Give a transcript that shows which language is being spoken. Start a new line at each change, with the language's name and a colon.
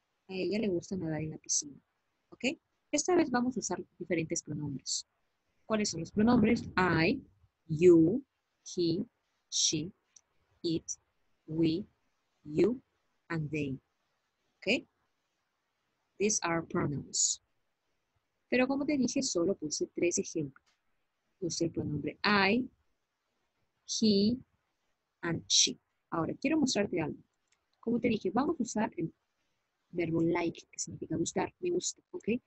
Spanish: A ella le gusta nadar en la piscina. ¿Ok? Esta vez vamos a usar diferentes pronombres. ¿Cuáles son los pronombres?
English: I, you, he, she, it, we, you, and they. ¿Ok? These are pronouns.
Spanish: Pero como te dije, solo puse tres ejemplos. Puse el pronombre I, he, and she. Ahora, quiero mostrarte algo. Como te dije, vamos a usar el verbo like, que significa gustar, me gusta, ¿ok?